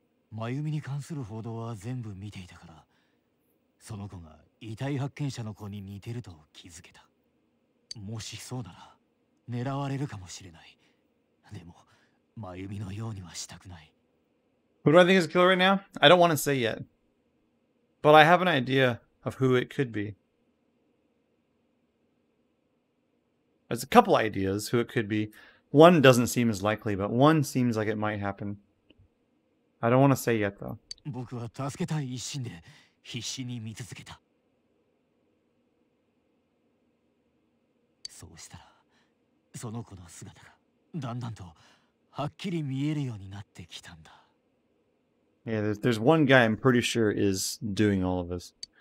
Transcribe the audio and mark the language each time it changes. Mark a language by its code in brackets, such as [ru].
[ja] 真由美に関する報道は全部見ていたから、その子が遺体発見者の子に似てると気づけた。もしそうなら狙われるかもしれない。でも真由美のようにはしたくない。 [en] Who do I think is the killer right now? I don't want to say yet, but I have an idea of who it could be. There's a couple ideas who it could be. One doesn't seem as likely, but one seems like it might happen. I don't want to say yet though. [ja] 僕は助けたい一心で必死に見続けた。そうしたら、その子の姿がだんだんとはっきり見えるようになってきたんだ。 [en] Yeah, there's one guy I'm pretty sure is doing all of this.